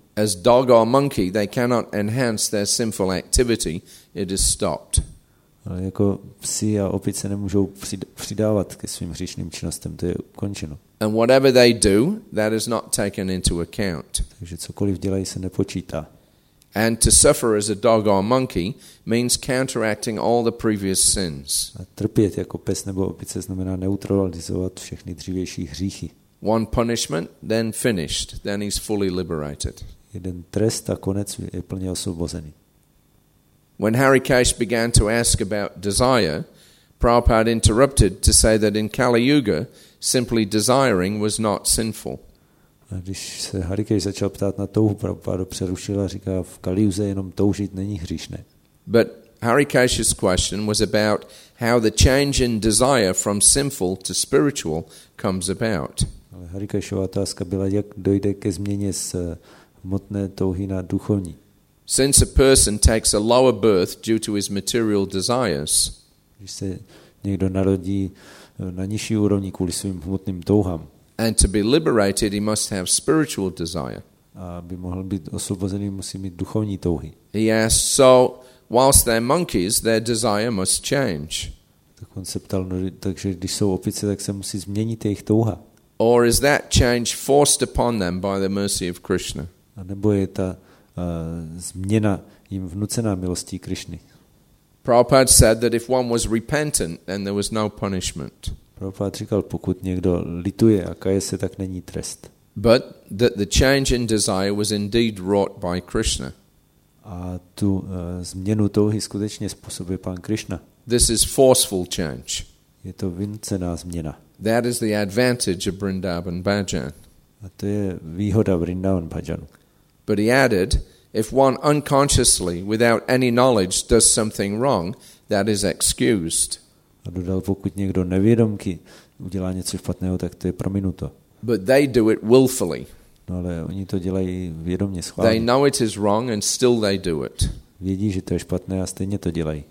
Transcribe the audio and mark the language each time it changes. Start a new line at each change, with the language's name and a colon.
English: As dog or monkey, they cannot enhance their sinful activity. It is stopped.
Czech: Ale jako psi a opice nemůžou přidávat ke svým hříšným činnostem. To je ukončeno.
English: And whatever they do, that is not taken into account.
Czech: Takže cokoliv dělají, se nepočítá.
English: And to suffer as a dog or monkey means counteracting all the previous sins.
Czech: A trpět jako pes nebo opice znamená neutralizovat všechny dřívější hříchy.
English: One punishment, then finished, then he's fully liberated.
Czech: Jeden trest a konec, je plně osvobozený.
English: When Harikesh began to ask about desire, Prabhupada interrupted to say that in Kali Yuga, simply desiring was not sinful.
Czech: A když se Harikej začal ptát na touhu, Prabhupada přerušil a říká, v Kali Yuze jenom toužit není hříšné.
English: But Harikesh's question was about how the change in desire from sinful to spiritual comes about.
Czech: Harikeshova otázka byla, jak dojde ke změně z hmotné touhy na duchovní.
English: Since a person takes a lower birth due to his material desires,
Czech: když se někdo narodí na nižší úrovni kvůli svým hmotným touhám,
English: and to be liberated, he must have spiritual desire.
Czech: Aby mohl být osvobozený, musí mít duchovní touhy.
English: He asked, so whilst they're monkeys, their desire must change.
Czech: Tak on se ptal, takže když jsou opice, tak se musí změnit jejich touha.
English: Or is that change forced upon them by the mercy of Krishna?
Czech: A nebo je ta změna jim vnucená milostí Krišny?
English: Prabhupada said that if one was repentant, then there was no punishment.
Czech: Prabhupada říkal, pokud někdo lituje a kaje se, tak není trest.
English: But that the change in desire was indeed wrought by Krishna.
Czech: A tu změnu touhy skutečně způsobuje pán Krišna.
English: This is forceful change.
Czech: Je to vnucená změna.
English: That is the advantage of Vrindavan Bhajan.
Czech: A to je výhoda Vrindavan Bhajanu.
English: But he added, if one unconsciously, without any knowledge, does something wrong, that is excused.
Czech: A dodal, pokud někdo nevědomky udělá něco špatného, tak to je prominuto.
English: But they do it willfully.
Czech: No, ale oni to dělají vědomě, schválně.
English: They know it is wrong and still they do it.
Czech: Vědí, že to je špatné a stejně to dělají.